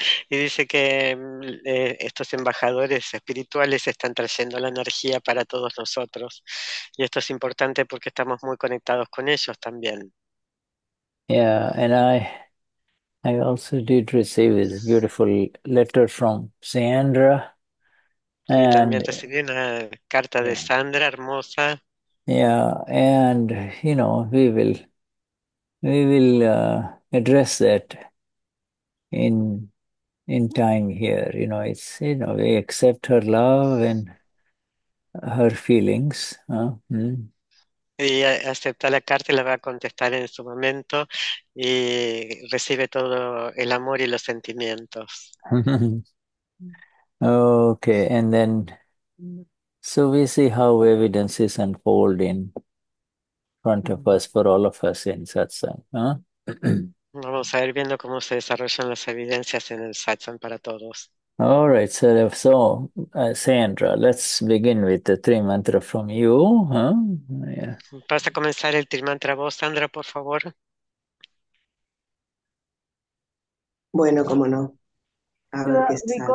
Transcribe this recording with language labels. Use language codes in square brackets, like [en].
[es] Y dice que estos embajadores espirituales están trayendo la energía para todos nosotros. Y esto es importante porque estamos muy conectados con ellos también. [en] Yeah, and I also did receive this beautiful letter from Sandra, [es] Sí, también [en] and [es] recibí una carta de Sandra hermosa. [en] and you know we will address that in time here. You know, it's you know we accept her love and her feelings. [es] Y acepta la carta y la va a contestar en su momento y recibe todo el amor y los sentimientos. [en] Okay, and then so we see how evidences unfold in front of us for all of us in satsang, [es] Vamos a ir viendo cómo se desarrollan las evidencias en el satsang para todos. [en] All right, so Sandra, let's begin with the three mantra from you, huh? Yeah. [es] Vas a comenzar el Trimantra vos, Sandra, por favor. Bueno, cómo no. A ver qué sale.